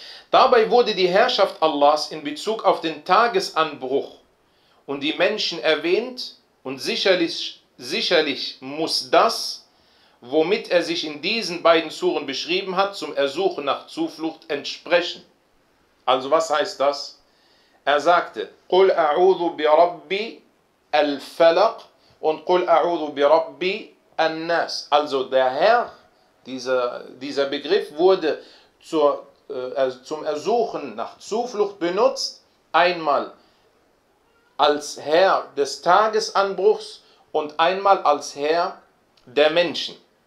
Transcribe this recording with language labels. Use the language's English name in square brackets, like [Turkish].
[German] Dabei wurde die Herrschaft Allahs in Bezug auf den Tagesanbruch und die Menschen erwähnt und sicherlich muss das, womit er sich in diesen beiden Suren beschrieben hat, zum Ersuchen nach Zuflucht entsprechen. Also was heißt das? Er sagte, [Arabic] قُلْ أَعُوذُ بِرَبِّي الْفَلَقِ und قُلْ أَعُوذُ بِرَبِّي النَّاسِ. [German] Also der Herr, dieser Begriff wurde zum Ersuchen nach Zuflucht benutzt, einmal als Herr des Tagesanbruchs und einmal als Herr der Menschen.